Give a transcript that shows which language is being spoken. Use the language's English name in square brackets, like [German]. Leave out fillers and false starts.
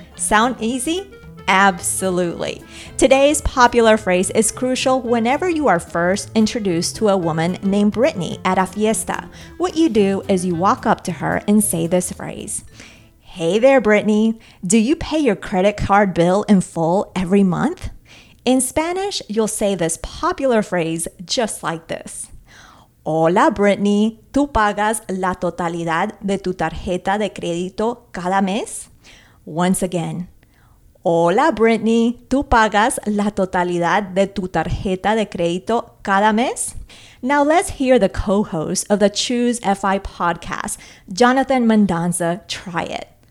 [English] Sound easy? Absolutely. Today's popular phrase is crucial whenever you are first introduced to a woman named Brittany at a fiesta. What you do is you walk up to her and say this phrase. Hey there, Brittany. Do you pay your credit card bill in full every month? In Spanish, you'll say this popular phrase just like this. [Spanish] Hola, Brittany. ¿Tú pagas la totalidad de tu tarjeta de crédito cada mes? [English] Once again. [Spanish] Hola, Brittany. ¿Tú pagas la totalidad de tu tarjeta de crédito cada mes? [English] Now let's hear the co-host of the Choose FI podcast, Jonathan Mendoza, try it.